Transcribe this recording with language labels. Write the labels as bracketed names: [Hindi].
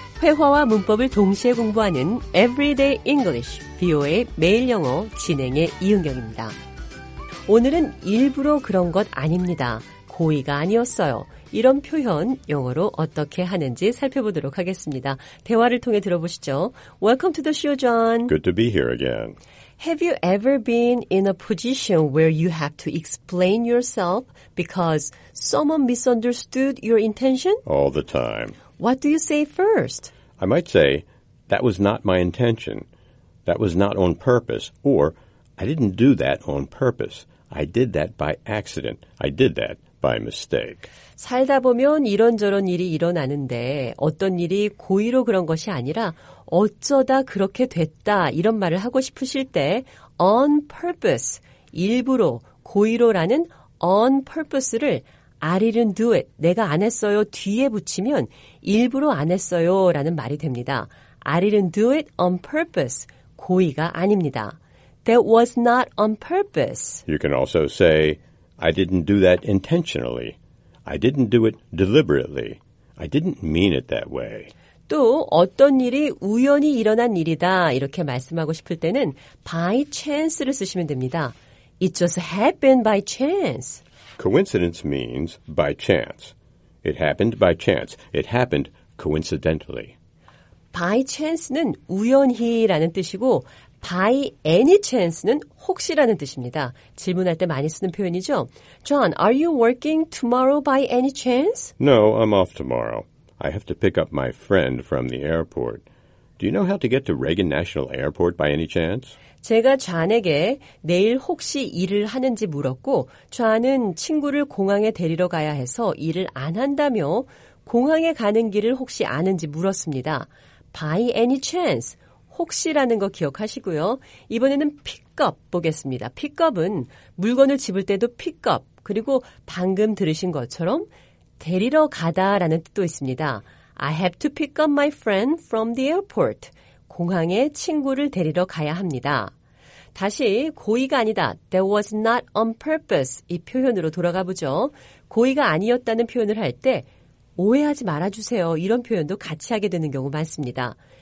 [Korean] 회화와 문법을 동시에 공부하는 Everyday English, VOA 매일 영어 진행의 이은경입니다. 오늘은 일부러 그런 것 아닙니다. 고의가 아니었어요. 이런 표현 영어로 어떻게 하는지 살펴보도록 하겠습니다. 대화를 통해 들어보시죠. [English] Welcome to the show, John. Good to be here again. Have you ever been in a position where you have to explain yourself because someone misunderstood your intention? All the time. What do you say first? I might say, that was not my intention. That was not on purpose. Or, I didn't do that on purpose. I did that by accident. I did that by mistake. [Korean] 살다 보면 이런저런 일이 일어나는데 어떤 일이 고의로 그런 것이 아니라 어쩌다 그렇게 됐다 이런 말을 하고 싶으실 때 on purpose, 일부러, 고의로라는 on purpose를 [English] I didn't do it. [Korean] 내가 안 했어요. 뒤에 붙이면 일부러 안 했어요. 라는 말이 됩니다. [English] I didn't do it on purpose. [Korean] 고의가 아닙니다. [English] That was not on purpose. You can also say, I didn't do that intentionally. I didn't do it deliberately. I didn't mean it that way. [Korean] 또 어떤 일이 우연히 일어난 일이다. 이렇게 말씀하고 싶을 때는 by chance를 쓰시면 됩니다. [English] It just happened by chance. Coincidence means by chance. It happened by chance. It happened coincidentally. [Korean] By chance는 우연히라는 뜻이고 by any chance는 혹시라는 뜻입니다. 질문할 때 많이 쓰는 표현이죠. [English] John, are you working tomorrow by any chance? No, I'm off tomorrow. I have to pick up my friend from the airport. Do you know how to get to Reagan National Airport by any chance? [Korean] 제가 존에게 내일 혹시 일을 하는지 물었고 존은 친구를 공항에 데리러 가야 해서 일을 안 한다며 공항에 가는 길을 혹시 아는지 물었습니다. By any chance, 혹시라는 거 기억하시고요. 이번에는 pick-up 보겠습니다. Pick-up은 물건을 집을 때도 pick-up, 그리고 방금 들으신 것처럼 데리러 가다라는 뜻도 있습니다. [English] I have to pick up my friend from the airport. [Korean] 공항에 친구를 데리러 가야 합니다. 다시 고의가 아니다. [English] That was not on purpose. [Korean] 이 표현으로 돌아가 보죠. 고의가 아니었다는 표현을 할 때 오해하지 말아주세요. 이런 표현도 같이 하게 되는 경우 많습니다.